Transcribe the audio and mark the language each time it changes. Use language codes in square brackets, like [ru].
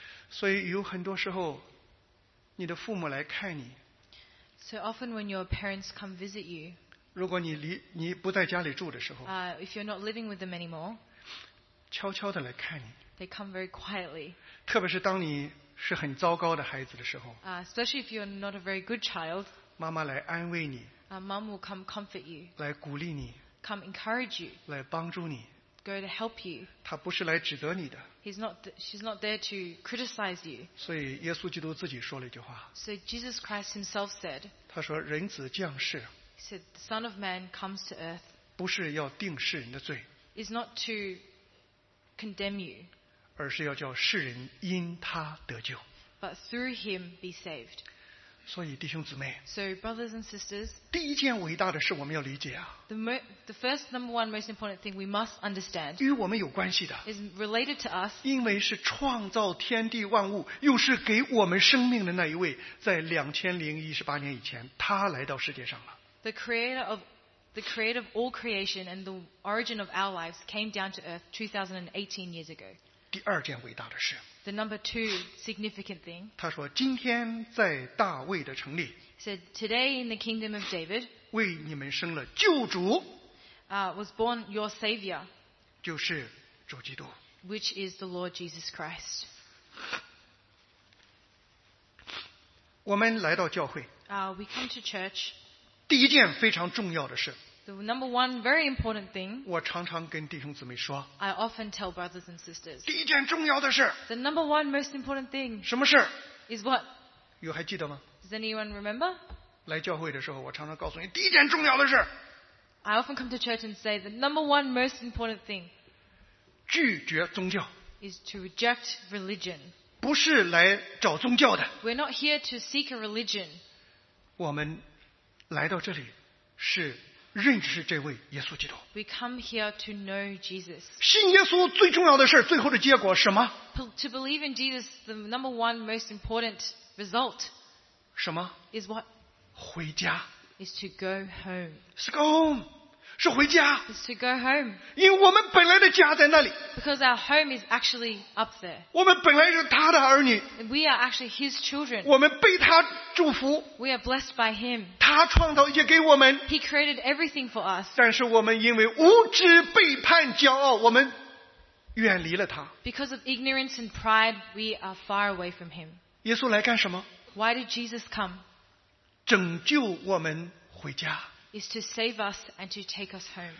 [zh] 所以有很多时候你的父母来看你 [en] So often when your parents come visit you [zh] 如果 你不在家里住的时候 [en] If you're not living with them anymore [zh] 悄悄地来看你 [en] They come very quietly [zh] 特别是当你是很糟糕的孩子的时候 [en] Especially if you're not a very good child [zh] 妈妈来安慰你 [en] Mom will come comfort you [zh] 来鼓励你 [en] Come encourage you [zh] 来帮助你 [en] Go to help you. [zh] 他不是来指责你的。 [en] She's not there to criticize you. [zh] 所以耶稣基督自己说了一句话。 [en] So Jesus Christ himself said. [zh] 他说人子降世。 [en] He said the Son of Man comes to earth. [zh] 不是要定世人的罪。 [en] Is not to condemn you. [zh] 而是要叫世人因他得救。 [en] But through him be saved. [zh] 所以弟兄姊妹。 [en] So brothers and sisters. [zh] 第一件伟大的事我们要理解啊。 [en] The first number one most important thing we must understand [zh] 与我们有关系的 [en] is related to us [zh] 因为是创造天地万物又是给我们生命的那一位在2018年以前他来到世界上了 [en] The creator of all creation and the origin of our lives came down to earth 2018 years ago [zh] 第二件伟大的事 [en] The number two significant thing [zh] 他说今天在大卫的城里 [en] said, "Today in the kingdom of David, [zh] 为你们生了救主 [en] was born your savior, [zh] 就是主基督 [en] which is the Lord Jesus Christ." [zh] 我们来到教会 [en] we come to church. [zh] 第一件非常重要的事 [en] the number one very important thing. [zh] 我常常跟弟兄姊妹说 [en] I often tell brothers and sisters. [zh] 第一件重要的事 [en] the number one most important thing. [zh] 什么事 [en] is what? [zh] 有还记得吗 [en] does anyone remember? [zh] 来教会的时候，我常常告诉你，第一件重要的事。 [en] I often come to church and say the number one most important thing. [zh] 拒绝宗教。 [en] Is to reject religion. [zh] 不是来找宗教的。 [en] We're not here to seek a religion. [zh] 我们来到这里是认识这位耶稣基督。 [en] We come here to know Jesus. [zh] 信耶稣最重要的事，最后的结果什么 [en] ？To believe in Jesus, the number one most important result. [zh] 什么 [en] ？Is what? [zh] 回家 [en] is to go home. [zh] 是 [en] go home, [zh] 是回家 [en] is to go home. [zh] 因为我们本来的家在那里 [en] because our home is actually up there. [zh] 我们本来是他的儿女 [en] we are actually his children. [zh] 我们被他祝福 [en] we are blessed by him. [zh] 他创造一切给我们 [en] he created everything for us. [zh] 但是我们因为无知、背叛、骄傲，我们远离了他 [en] because of ignorance and pride, we are far away from him. [zh] 耶稣来干什么 [en] why did Jesus come? [zh] 拯救我们回家 [en] is to save us and to take us home.